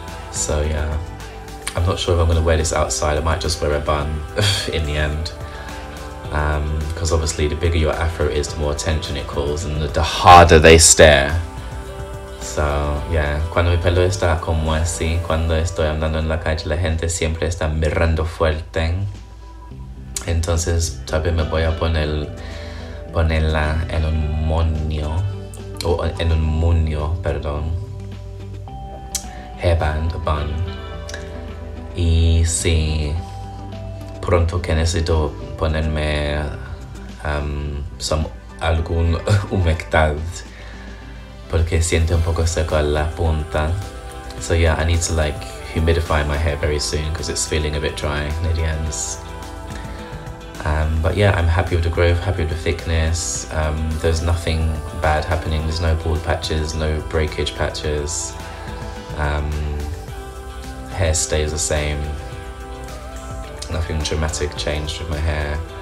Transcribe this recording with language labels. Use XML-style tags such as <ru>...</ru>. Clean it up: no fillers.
<en>So yeah, I'm not sure if I'm going to wear this outside. I might just wear a bun in the end. Because obviously the bigger your afro is, the more attention it calls and the harder they stare.</en> <es>So yeah, cuando mi pelo está como así, cuando estoy andando en la calle, la gente siempre está mirando fuerte. Entonces tal vez me voy a ponerla en un moño, o en un muño, perdón.</es> <en>Hairband, a bun.</en> <es>Y sí, pronto que necesito ponerme algún humectad porque siento un poco seco la punta.</es> <en>So yeah, I need to like humidify my hair very soon because it's feeling a bit dry near the ends. But yeah, I'm happy with the growth, happy with the thickness. There's nothing bad happening. There's no bald patches, no breakage patches. Hair stays the same. Nothing dramatic changed with my hair.</en>